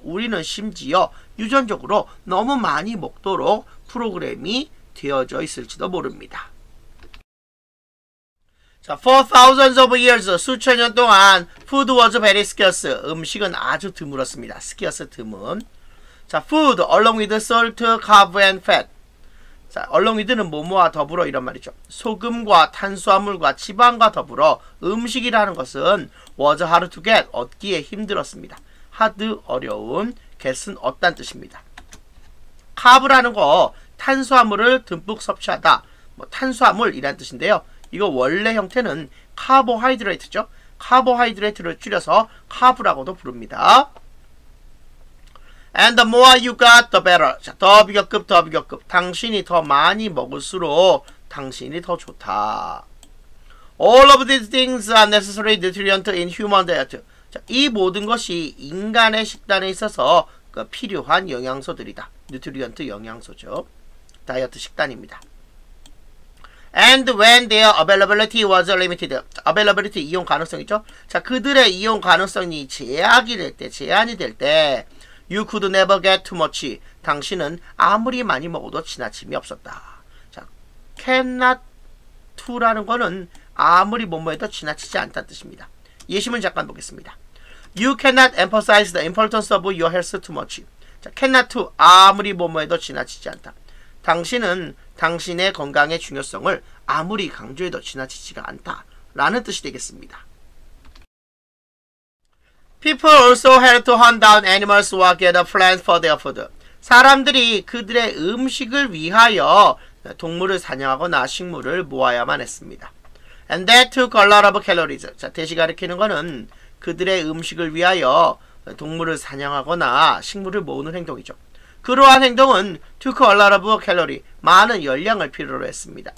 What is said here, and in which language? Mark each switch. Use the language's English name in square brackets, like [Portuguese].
[Korean] 우리는 심지어 유전적으로 너무 많이 먹도록 프로그램이 되어져 있을지도 모릅니다. [English] 자, for thousands of years, [Korean] 수천 년 동안, [English] food was very scarce. [Korean] 음식은 아주 드물었습니다. scarce, 드문. [English] 자, food, along with salt, carb, and fat. [Korean] 자, along with는 뭐뭐와 더불어 이런 말이죠. 소금과 탄수화물과 지방과 더불어 음식이라는 것은 [English] was hard to get, [Korean] 얻기에 힘들었습니다. hard, 어려운, get은 얻단 뜻입니다. carb라는 거, 탄수화물을 듬뿍 섭취하다. 뭐, 탄수화물이란 뜻인데요. 이거 원래 형태는 카보하이드레이트죠. 카보하이드레이트를 줄여서 카브라고도 부릅니다. [English] And the more you got, the better. [Korean] 자, 더 비교급, 더 비교급. 당신이 더 많이 먹을수록 당신이 더 좋다. [English] All of these things are necessary nutrients in human diet. [Korean] 자, 이 모든 것이 인간의 식단에 있어서 그 필요한 영양소들이다. [English] Nutrient [Korean] 영양소죠. 다이어트 식단입니다. [English] And when their availability was limited. [Korean] Availability, 이용 가능성이죠. 자, 그들의 이용 가능성이 제약이 될 때, 제한이 될 때, [English] you could never get too much. [Korean] 당신은 아무리 많이 먹어도 지나침이 없었다. 자, cannot to라는 거는 아무리 뭐뭐 해도 지나치지 않다는 뜻입니다. 예시문 잠깐 보겠습니다. [English] You cannot emphasize the importance of your health too much. [Korean] 자, cannot to, 아무리 뭐뭐 해도 지나치지 않다. 당신은 당신의 건강의 중요성을 아무리 강조해도 지나치지가 않다 라는 뜻이 되겠습니다. [English] People also had to hunt down animals or get a plant for their food. [Korean] 사람들이 그들의 음식을 위하여 동물을 사냥하거나 식물을 모아야만 했습니다. [English] And that took a lot of calories. [Korean] 자, 대시 가리키는 것은 그들의 음식을 위하여 동물을 사냥하거나 식물을 모으는 행동이죠. 그러한 행동은 [English] took a lot of calories, [Korean] 많은 열량을 필요로 했습니다.